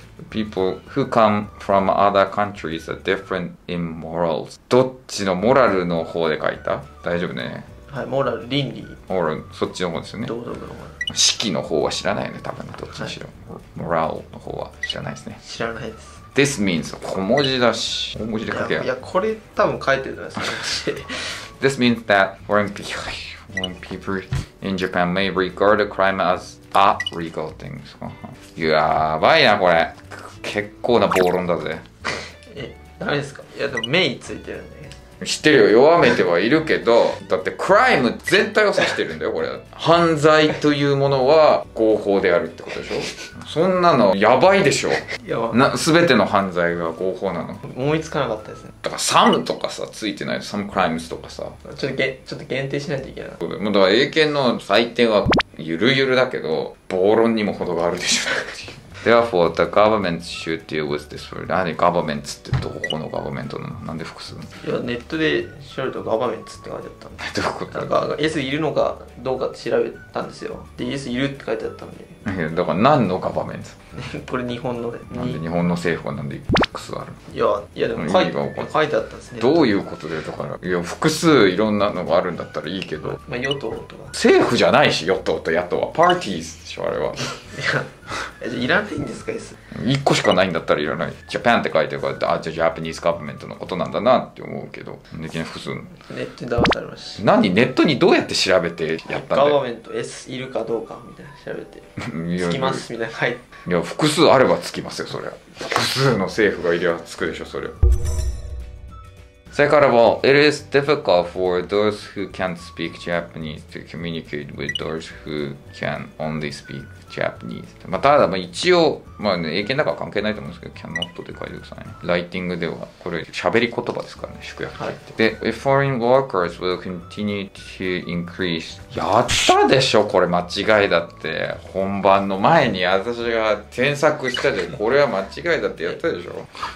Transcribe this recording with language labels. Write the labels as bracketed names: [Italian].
[English] People who come from other countries are different in morals。 [Japanese] どっちのモラルの方で書いた？大丈夫ね。はい、モラル、倫理。モラル、そっちの方ですよね。道徳の方。式の方は知らないよね、多分。どっちにしろ、はい、モラルの方は知らないですね。知らないです。 [English] This means [Japanese] 小文字だし、大文字で書けや。いや、これ多分書いてるじゃないですか。 [English] This means that when people in Japan may regard a crime as a legal thing。 [Japanese] やばいな、これ結構な暴論だぜ。え、ダメですか。いや、でも、メイついてるね。知ってるよ、弱めてはいるけど。だって、クライム全体を指してるんだよ、これ。犯罪というものは合法であるってことでしょ。そんなの、やばいでしょ。やば。すべての犯罪が合法なの。思いつかなかったですね。だから、サムとかさ、ついてないの。サムクライムズとかさ。ちょっと限定しないといけない。もう、だから、英検の採点は、ゆるゆるだけど、暴論にも程があるでしょ。 [English] Therefore, the government should deal with this word. [Japanese] 何 government ってどこの government なの？なんで複数の？いや、ネットで調べると government って書いてあったんで。どういうこと？なんか、S いるのかどうか調べたんですよ。で、S いるって書いてあったんで。いや、だから何の government？これ日本の。なんで日本の政府はなんで複数あるの？いや、でも書いてあったんですね。どういうことで、だから。いや、複数いろんなのがあるんだったらいいけど。まあ、与党とか。政府じゃないし、与党と野党は。パーティーズでしょ、あれは。いらないんですか、S。 1個しかないんだったらいらない。 Japan って書いてるから、あ、じゃあ Japanese government のことなんだなって思うけど、できない、複数。ネットに騙されました何、ネットにどうやって調べてやったんだよ。Government、S いるかどうかみたいな調べて。つきますみたいな、はい。いや、複数あればつきますよ、それは。複数の政府がいりゃつくでしょ、それは。 [English] Second of all, it is difficult for those who can't speak Japanese to communicate with those who can only speak Japanese. [Japanese] まあ、ただ、まあ、一応、まあね、英検だから関係ないと思うんですけど、cannot って書いてくださいね。ライティングでは、これ、喋り言葉ですからね、宿訳って、はい。 [English] で、if foreign workers will continue to increase. [Japanese] やったでしょ、これ間違いだって。本番の前に私が添削したで、これは間違いだってやったでしょ。